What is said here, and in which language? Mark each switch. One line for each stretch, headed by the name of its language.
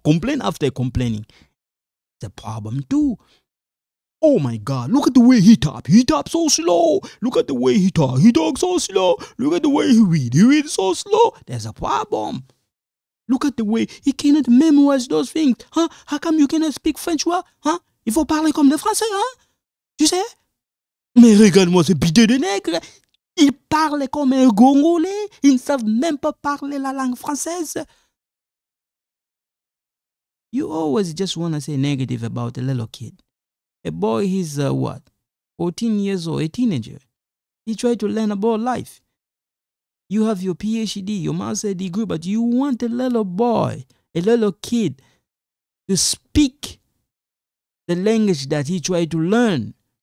English: Complain after complaining. It's a problem too. Oh my God, look at the way he tap. He tap so slow. Look at the way he talk. He talk so slow. Look at the way he read. He read so slow. There's a problem. Look at the way he cannot memorize those things. Huh? How come you cannot speak French well? Huh?
French: Il faut parler comme le français, hein? Tu sais? Mais regarde-moi ce bidet de nègre. Il parle comme un Congolais. Ils ne savent même pas parler la langue française.
English: You always just want to say negative about a little kid. A boy, he's what? 14 years old, a teenager. He tried to learn about life. You have your PhD, your master's degree, but you want a little boy, a little kid, to speak the language that he tried to learn.